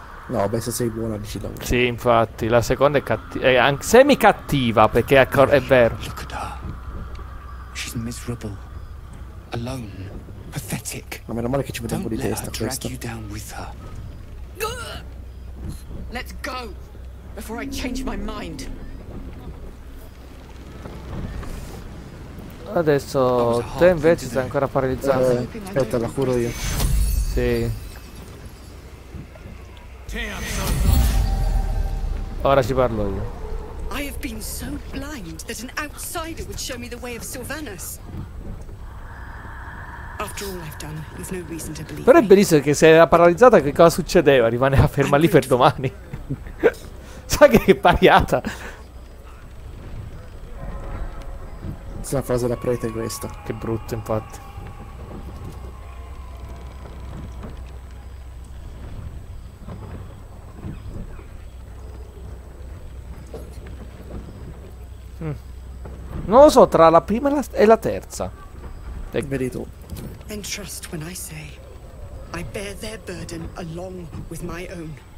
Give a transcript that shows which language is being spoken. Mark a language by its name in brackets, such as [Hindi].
[Italian] No, beh, se sei buona, dici da me. Sì, infatti. La seconda è cattiva. È anche semi cattiva, perché è vero. [English] Look at her. She's miserable. Alone. Pathetic. [Italian] Ma meno male che ci mette un po' di testa. [English] Don't let her drag you down with her. Let's go. Before I change my mind. [Italian] Adesso te invece stai ancora paralizzando. Aspetta, la curo io. Sì. Ora ci parlo io. [English] I have been so blind that an outsider would show me the way of Sylvanas. After all I've done, you've no reason to believe. [Italian] Però è bellissimo che se era paralizzata, che cosa succedeva? Rimaneva ferma lì per domani. Sai che pariata? È una frase da prete questa. Che brutto, infatti. Non lo so, tra la prima e la terza. Vedi tu. [English] And trust when I say I bear their burden along with my own.